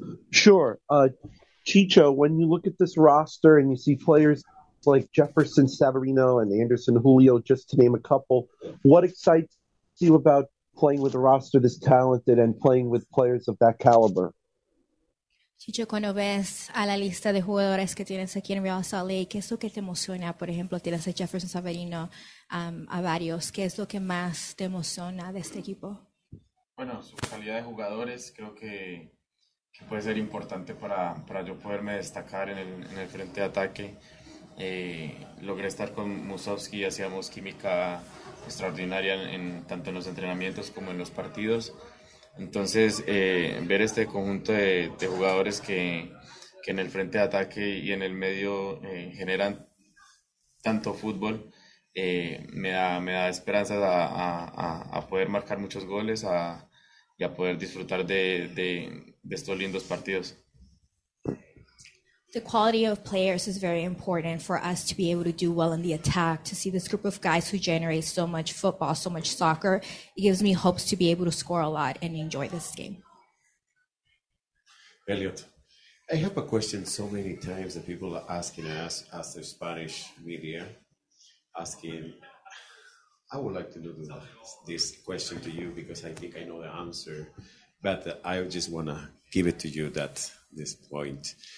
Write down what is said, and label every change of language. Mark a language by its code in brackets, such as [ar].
[en] Sure. Chicho, when you look at this roster and you see players like Jefferson, Savarino, and Anderson, Julio, just to name a couple, what excites you about playing with a roster this talented and playing with players of that caliber? [es] Chicho, cuando ves a la lista de jugadores que tienes aquí en Real Salt Lake, ¿qué es lo que te emociona? Por ejemplo, tienes a Jefferson, Savarino, a varios. ¿Qué es lo que más te emociona de este equipo? Bueno, su calidad de jugadores creo que puede ser importante para yo poderme destacar en el frente de ataque. Logré estar con Musovsky y hacíamos química extraordinaria tanto en los entrenamientos como en los partidos. Entonces, ver este conjunto de jugadores que en el frente de ataque y en el medio generan tanto fútbol, me da esperanzas a poder marcar muchos goles y a poder disfrutar de estos lindos partidos. [en] The quality of players is very important for us to be able to do well in the attack, to see this group of guys who generate so much football, so much soccer. It gives me hopes to be able to score a lot and enjoy this game. Elliot, I have a question so many times that people are asking us as the Spanish media, asking, I would like to know this question to you because I think I know the answer, but I just want to give it to you that this point.